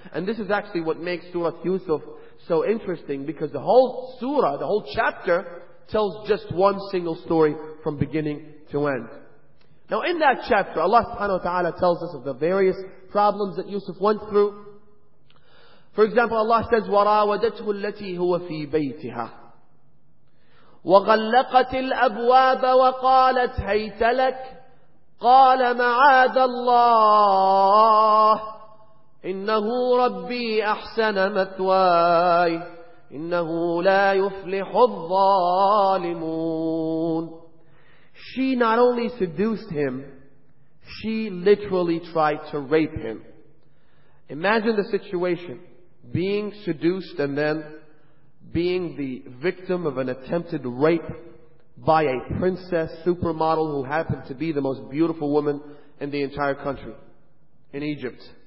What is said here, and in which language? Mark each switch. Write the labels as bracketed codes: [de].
[en] And this is actually what makes Surah Yusuf so interesting, because the whole surah, the whole chapter, tells just one single story from beginning to end. Now in that chapter, Allah subhanahu wa ta'ala tells us of the various problems that Yusuf went through. For example, Allah says, [ar] وَرَاوَدَتْهُ الَّتِي هُوَ فِي بَيْتِهَا وَغَلَّقَتِ الْأَبْوَابَ وَقَالَتْ هَيْتَ لَكَ قَالَ مَعَاذَ اللَّهِ إِنَّهُ رَبِّي أَحْسَنَ مَثْوَايَ إِنَّهُ لَا يُفْلِحُ الظَّالِمُونَ. [en] She not only seduced him, she literally tried to rape him. Imagine the situation, being seduced and then being the victim of an attempted rape by a princess supermodel who happened to be the most beautiful woman in the entire country, in Egypt.